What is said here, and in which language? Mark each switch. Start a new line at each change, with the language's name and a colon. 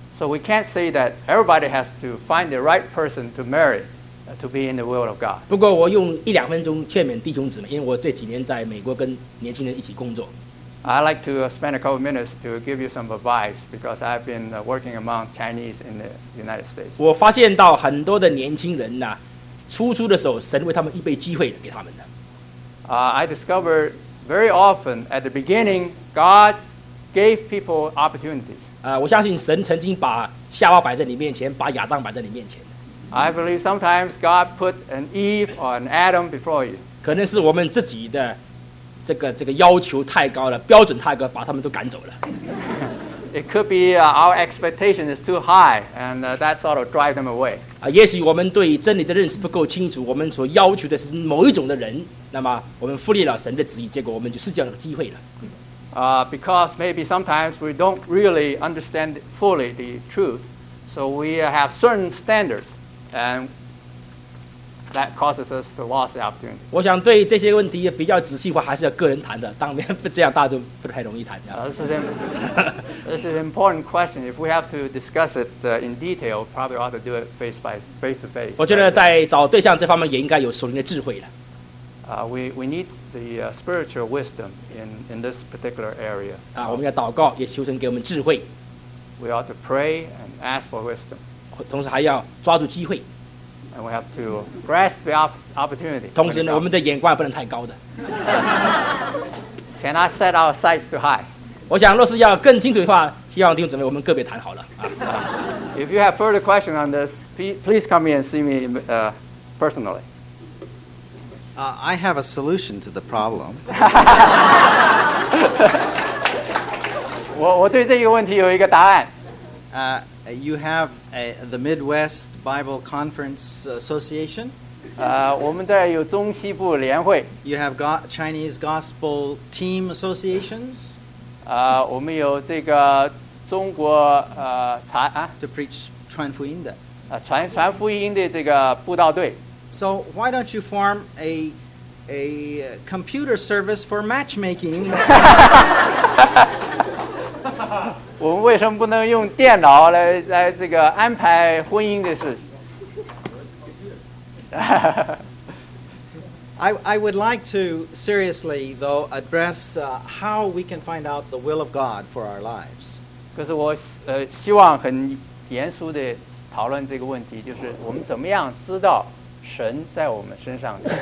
English: So we can't say that everybody has to find the right person to marry, to be in the will of God.
Chinese: 不过我用一两分钟劝勉弟兄姊妹，因为我这几年在美国跟年轻人一起工作。
English: I like to spend a couple minutes to give you some advice because I've been working among Chinese in the United States.
Chinese: 我发现到很多的年轻人呢，初出的时候，神为他们预备机会给他们的。
English: I discovered very often at the beginning, God gave people opportunities.
Chinese: 我相信神曾经把夏娃摆在你面前，把亚当摆在你面前。
English: I believe sometimes God put an Eve or an Adam before you.
Chinese: 可能是我们自己的这个要求太高了，标准太高，把他们都赶走了。
English: It could be our expectation is too high, and that sort of drive them away.
Chinese: 也许我们对真理的认识不够清楚，我们所要求的是某一种的人，那么我们忽略了神的旨意，结果我们就失去了机会了。
English: Because maybe sometimes we don't really understand fully the truth, so we have certain standards, and that causes us to lose the opportunity.
Chinese: 我想对这些问题比较仔细的话，还是要个人谈的。当面这样大众不太容易谈。
English: This is an important question. If we have to discuss it in detail, probably ought to do it face to face.
Chinese: 我觉得在找对象这方面也应该有属灵的智慧了。
English: We need the spiritual wisdom in this particular area.
Chinese: 我们要祷告，也求神给我们智慧。
English: We ought to pray and ask for wisdom.
Chinese: 同时还要抓住机会。
English: And we have to grasp the opportunity.
Chinese: 同时呢，我们的眼光不能太高的。
English: Cannot set our sights too high.
Chinese: 我想，若是要更清楚的话，希望弟兄姊妹我们个别谈好了。
English: If you have further questions on this, please come in and see me personally. I have a solution to the problem.
Chinese: 我对这个问题有一个答案。
English: You have the Midwest Bible Conference Association.
Chinese: 我们这有中西部联会。
English: You have Chinese Gospel Team Associations.
Chinese: 我们有这个中国
English: to preach
Chinese: 传福音的传福音的这个布道队。
English: So why don't you form a computer service for matchmaking?
Chinese: 我们为什么不能用电脑来这个安排婚姻的事情？
English: I would like to seriously though address how we can find out the will of God for our lives.
Chinese: 可是我希望很严肃的讨论这个问题，就是我们怎么样知道神在我们身上的。